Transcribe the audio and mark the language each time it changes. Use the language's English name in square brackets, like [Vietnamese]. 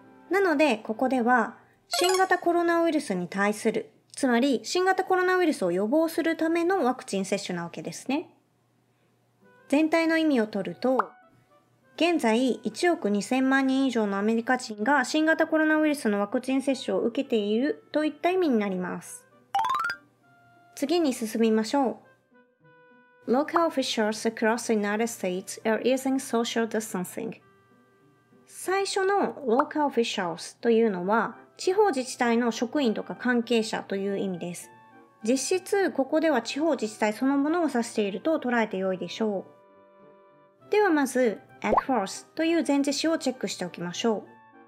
[Japanese] なのでここでは、新型コロナウイルスに対する、つまり新型コロナウイルスを予防するためのワクチン接種なわけですね。全体の意味を取ると、現在1億2000万人以上のアメリカ人が新型コロナウイルスのワクチン接種を受けているといった意味になります。次に進みましょう。 [English] Local officials across the United States are using social distancing。 [Japanese] 最初の local officials というのは、地方自治体の職員とか関係者という意味です。実質、ここでは地方自治体そのものを指していると捉えてよいでしょう。ではまず、across という前置詞をチェックしておきましょう。